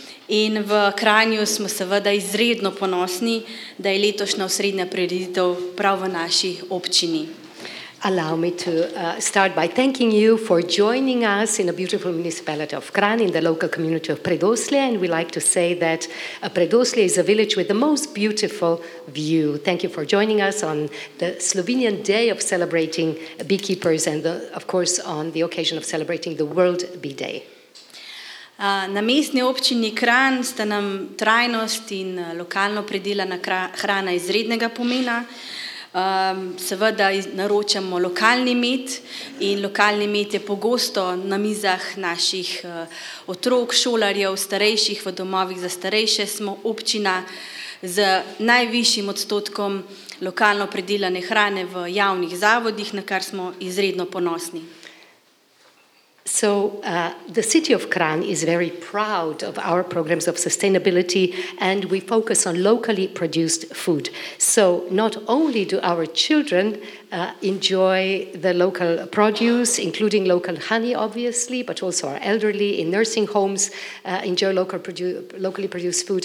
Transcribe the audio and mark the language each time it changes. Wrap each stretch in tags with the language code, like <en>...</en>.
<sl>In v Kranju smo seveda izredno ponosni, da je letošnja osrednja prireditev prav v naši občini.</sl> <en>Allow me to start by thanking you for joining us in a beautiful municipality of Kranj in the local community of Predoslje. And we like to say that Predoslje is a village with the most beautiful view. Thank you for joining us on the Slovenian Day of celebrating beekeepers and, of course, on the occasion of celebrating the World Bee Day.</en> <sl>Na mestni občini Kranj sta nam trajnost in lokalno pridelana hrana izrednega pomena. Seveda naročamo lokalni med in lokalni med je pogosto na mizah naših otrok, šolarjev, starejših, v domovih za starejše. Smo občina z najvišjim odstotkom lokalno pridelane hrane v javnih zavodih, na kar smo izredno ponosni.</sl> <en>So the city of Kranj is very proud of our programs of sustainability and we focus on locally produced food. So not only do our children enjoy the local produce, including local honey, obviously, but also our elderly in nursing homes enjoy locally produced food.</en>